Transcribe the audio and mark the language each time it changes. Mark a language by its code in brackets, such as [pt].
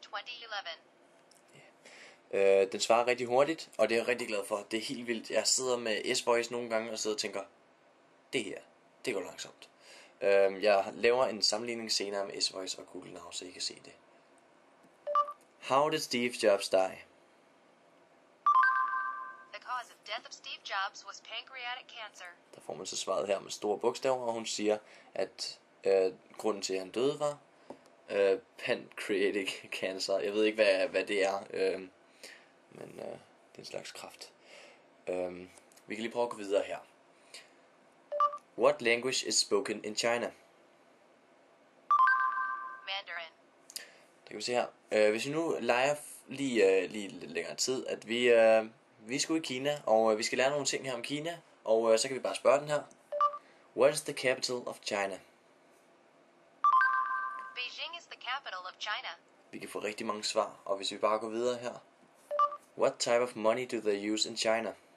[en] 2011. Yeah. [da] Den svarer rigtig hurtigt, og det er jeg rigtig glad for. Det er helt vildt. Jeg sidder med S-Voice nogle gange og sidder og tænker, det her, det går langsomt. Jeg laver en sammenligning senere med S-Voice og Google Now, så I kan se det. [en] How did Steve Jobs die? The cause of death of Steve Jobs was pancreatic cancer. [da] Der får man så svaret her med store bogstaver, og hun siger, at grunden til, at han døde var... pancreatic cancer. Jeg ved ikke hvad det er. Men det er en slags kræft. Vi kan lige prøve at gå videre her. [en] What language is spoken in China? Mandarin. [da] Der kan vi se her. Hvis vi nu leger lige lidt længere tid, at vi skal ud i Kina, og vi skal lære nogle ting her om Kina, og så kan vi bare spørge den her. [en] What is the capital of China? Beijing is the capital of China. [da] Vi kan få rigtig mange svar, og hvis vi bare går videre her. [en] What type of money do they use in China?